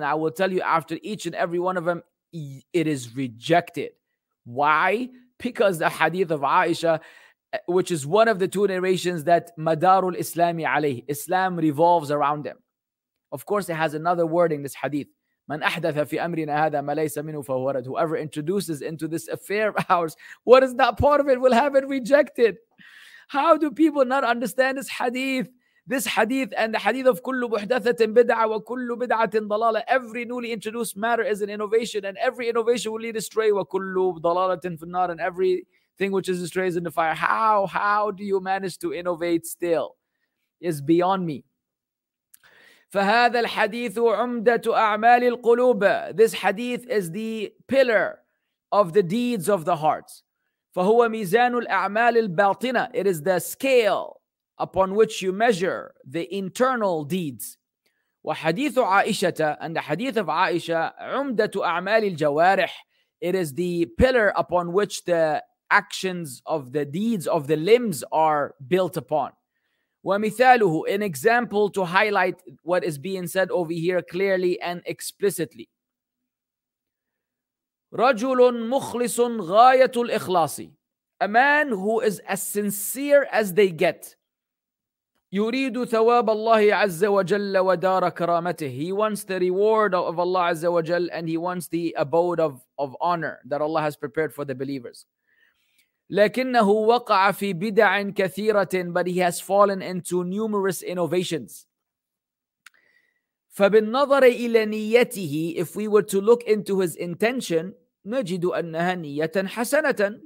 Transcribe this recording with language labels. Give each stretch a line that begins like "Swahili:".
English: And I will tell you after each and every one of them, it is rejected. Why? Because the hadith of Aisha, which is one of the two narrations that Madarul Islami alayhi, Islam revolves around them. Of course, it has another wording, this hadith.
Arabic: من أحدث في أمرنا هذا ما ليس منه فهو رد.
English: Whoever introduces into this affair of ours, what is not part of it will have it rejected. How do people not understand this hadith? This hadith and the hadith of
Arabic: كل محدثة بدعة وكل بدعة ضلالة.
English: Every newly introduced matter is an innovation and every innovation will lead astray.
Arabic: وكل ضلالة في النار.
English: And everything which is astray is in the fire. How do you manage to innovate still? It's beyond me.
Arabic: فهذا الحديث عمدة أعمال القلوب.
English: This hadith is the pillar of the deeds of the hearts.
Arabic: فهو ميزان الأعمال الباطنة.
English: It is the scale upon which you measure the internal deeds.
Arabic: وحديث عائشة
English: and the hadith of
Arabic: عائشة عمدة أعمال الجوارح.
English: It is the pillar upon which the actions of the deeds of the limbs are built upon.
Arabic: ومثاله,
English: an example to highlight what is being said over here clearly and explicitly.
Arabic: رجل مخلص غاية الإخلاص.
English: A man who is as sincere as they get.
Arabic: يريد ثواب الله عز وجل ودار كرامته.
English: He wants the reward of Allah عز وجل and he wants the abode of honor that Allah has prepared for the believers.
Arabic: لكنه وقع في بدع كثيرة,
English: but he has fallen into numerous innovations.
Arabic: فبالنظر إلى نيته,
English: if we were to look into his intention,
Arabic: نجد أنها نية حسنة.